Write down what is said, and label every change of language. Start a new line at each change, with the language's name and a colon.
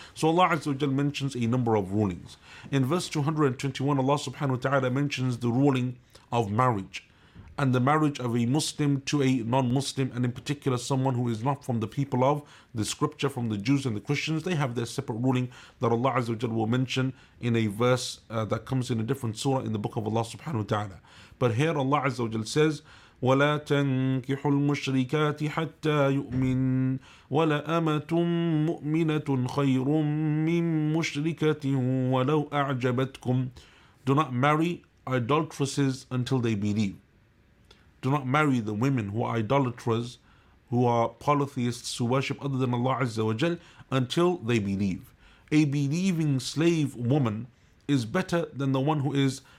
English: So Allah Azza wa Jal mentions a number of rulings. In verse 221, Allah subhanahu wa ta'ala mentions the ruling of marriage, and the marriage of a Muslim to a non-Muslim, and in particular someone who is not from the people of the scripture, from the Jews and the Christians. They have their separate ruling that Allah Azza wa Jal will mention in a verse that comes in a different surah in the book of Allah subhanahu wa ta'ala. But here Allah Azza wa Jal says,
Arabic: ولا تنكحوا المشركات حتى يؤمن ولا أمة مؤمنة خير من مشركة ولو أعجبتكم.
English: Do not marry idolatresses until they believe. Do not marry the women who are idolaters, who are polytheists, who worship other than Allah Azza wa Jal, until they believe. A believing slave woman is better than the one who is